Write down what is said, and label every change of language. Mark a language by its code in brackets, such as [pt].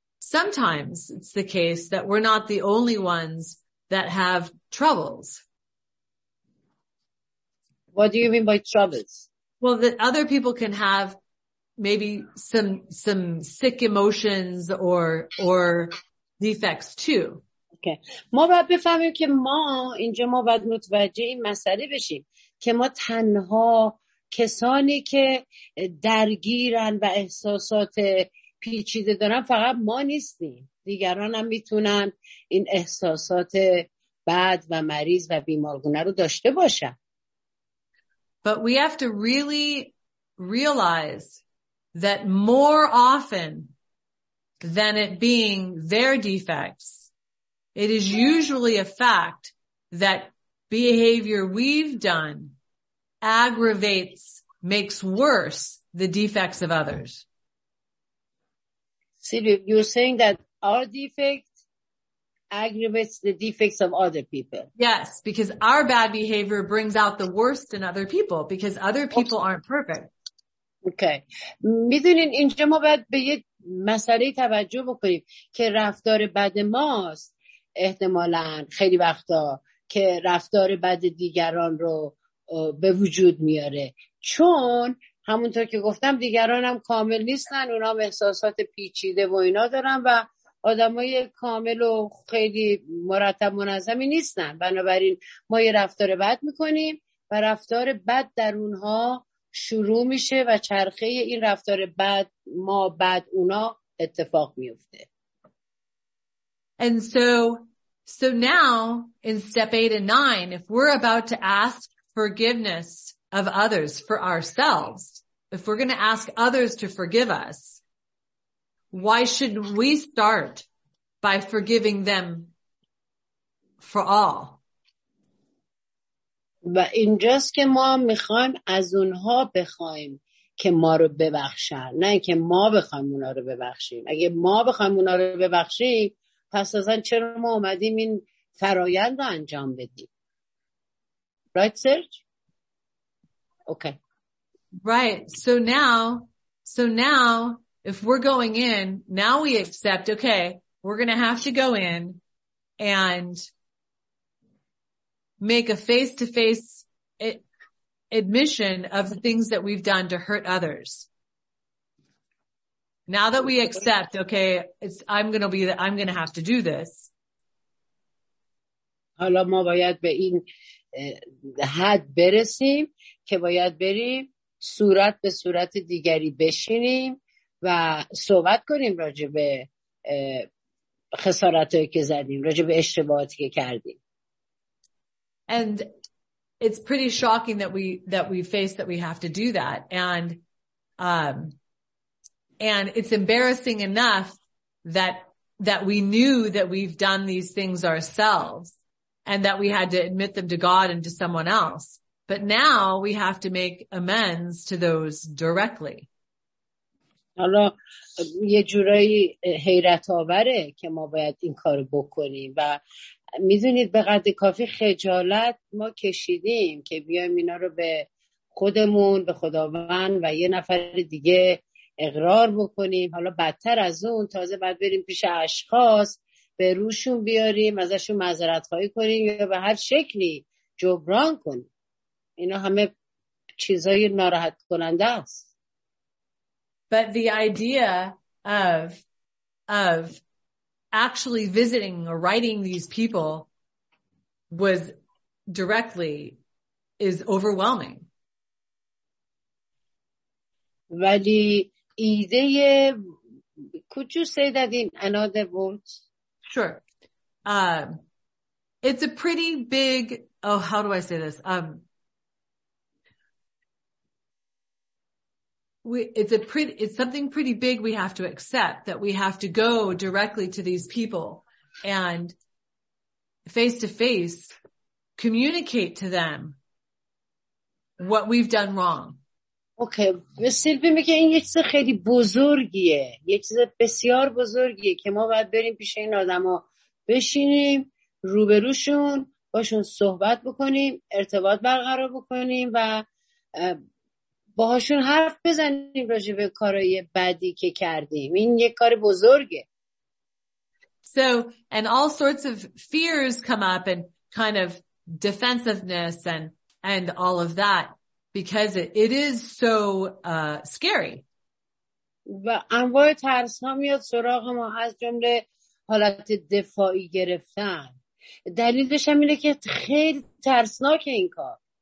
[en] Sometimes it's the case that we're not the only ones that have troubles. What do you mean by troubles? Well, that other people can have maybe some sick emotions or defects too. Okay. [fa] ما باید بفهمیم که ما اینجا ما باید متوجه این مسئله بشیم که ما تنها کسانی که درگیرن و احساسات پیچیده دارن فقط ما نیستیم. دیگران هم میتونن این احساسات بد و مریض و بیمارگونه رو داشته باشن. [en] But we have to really realize that more often than it being their defects, it is usually a fact that behavior we've done aggravates, makes worse the defects of others. Sylvia, you're saying that our defect aggravates the defects of other people. Yes, because our bad behavior brings out the worst in other people because other people aren't perfect. Okay. [fa] میدونین اینجا ما باید به یه مسئله توجه بکنیم که رفتار بد ماست احتمالاً خیلی وقتا که رفتار بد دیگران رو به وجود میاره چون همونطور که گفتم دیگران هم کامل نیستن اونا هم احساسات پیچیده و اینا دارن و آدمای کامل و خیلی مرتب منظمی نیستن بنابراین ما یه رفتار بد میکنیم و رفتار بد در اونها شروع میشه و چرخه این رفتار بد ما بعد اونا اتفاق میفته. [en] And so now in step 8 and 9 if we're about to ask forgiveness of others for ourselves if we're going to ask others to forgive us why should we start by forgiving them for all? [fa] و اینجاست که ما میخوایم از اونها بخوایم که ما رو ببخشن نه اینکه ما بخوایم اونها رو ببخشیم اگه ما بخوایم اونها رو ببخشیم پس اصلا چرا ما اومدیم این فرایند رو انجام بدیم [en] right [fa] Serge? [en] Okay. Right. So now if we're going in, now we accept, okay, we're going to have to go in and make a face-to-face admission of the things that we've done to hurt others. Now that we accept, okay, I'm going to have to do this. [fa] حالا ما باید به این حد برسیم که باید بریم صورت به صورت دیگری بشینیم و صحبت کنیم راجع به خساراتی که زدیم راجع به اشتباهاتی که کردیم. [en] And it's pretty shocking that we have to do that and it's embarrassing enough that we knew that we've done these things ourselves and that we had to admit them to God and to someone else. But now we have to make amends to those directly. [fa] حالا یه جورایی حیرت آوره که ما باید این کار بکنیم و میدونید به قدر کافی خجالت ما کشیدیم که بیایم اینا رو به خودمون به خداوند و یه نفر دیگه اقرار بکنیم حالا بدتر از اون تازه بعد بریم پیش اشخاص به روشون بیاریم ازشون معذرت خواهی کنیم یا به هر شکلی جبران کنیم اینا همه چیزای ناراحت کننده است. [en] But the idea of actually visiting or writing these people was directly is overwhelming. [fa] ولی ایده ی [en] could you say that in another words? Sure. It's a pretty big, oh, how do I say this? It's something pretty big we have to accept, that we have to go directly to these people and face to face communicate to them what we've done wrong. [fa] اوکی، سیلوی میگه این یه چیز خیلی بزرگیه، یه چیز بسیار بزرگیه که ما باید بریم پیش این آدم ها بشینیم، روبروشون، باشون صحبت بکنیم، ارتباط برقرار بکنیم و باهاشون حرف بزنیم راجع به کارهای بدی که کردیم. این یه کار بزرگه. [en] So, and all sorts of fears come up and kind of defensiveness and all of that. Because it is so scary. [fa] و انواع ترس ها میاد سراغ ما، از جمله حالت دفاعی گرفتن. دلیلش هم اینه که خیلی ترسناک این کار.